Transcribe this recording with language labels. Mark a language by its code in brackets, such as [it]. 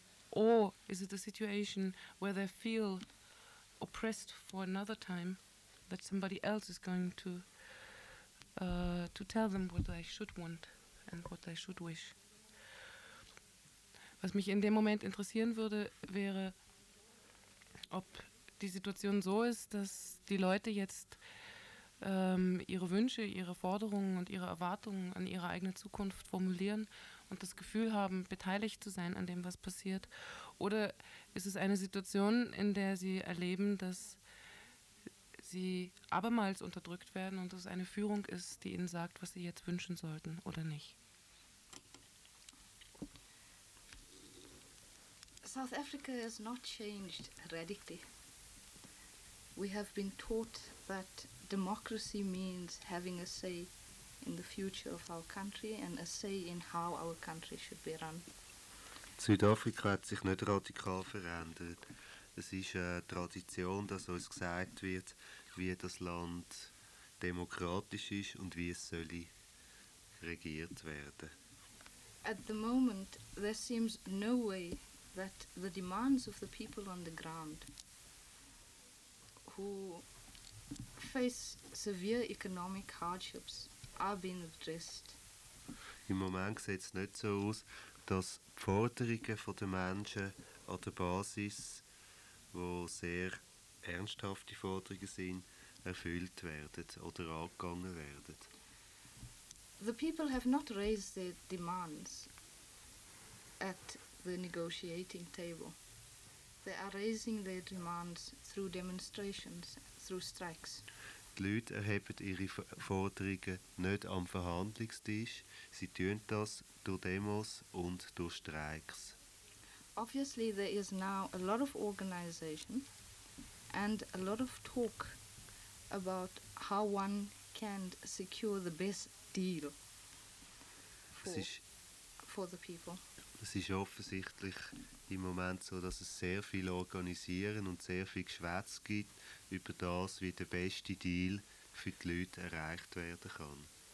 [en] Or is it a situation where they feel oppressed for another time, that somebody else is going to tell them what they should want and what they should wish? [de] Was mich in dem Moment interessieren würde, wäre, ob die Situation so ist, dass die Leute jetzt ihre Wünsche, ihre Forderungen und ihre Erwartungen an ihre eigene Zukunft formulieren und das Gefühl haben, beteiligt zu sein an dem, was passiert. Oder ist es eine Situation, in der sie erleben, dass sie abermals unterdrückt werden und es eine Führung ist, die ihnen sagt, was sie jetzt wünschen sollten oder nicht? [en] South Africa has not changed radically. We have been taught that democracy means having a say in the future of our country and a say in how our country should be run. [de] Südafrika hat sich nicht radikal verändert. Es ist eine Tradition, dass uns gesagt wird, wie das Land demokratisch ist und wie es soll regiert werden. [en] At the moment, there seems no way that the demands of the people on the ground who face severe economic hardships are being addressed. [de] Im Moment sieht es nicht so aus, dass die Forderungen von den Menschen an der Basis, wo sehr ernsthafte Forderungen sind, erfüllt werden oder angegangen werden. [en] The people have not raised their demands at the negotiating table. They are raising their demands through demonstrations, through strikes. [de] Die Leute erheben ihre Forderungen nicht am Verhandlungstisch. Sie tun das durch Demos und durch Streiks. [en] Obviously, there is now a lot of organization and a lot of talk about how one can secure the best deal for the people. [de] Es ist offensichtlich im Moment so, dass es sehr viel Organisieren und sehr viel Geschwätz gibt über das, wie der beste Deal für die Leute erreicht werden kann.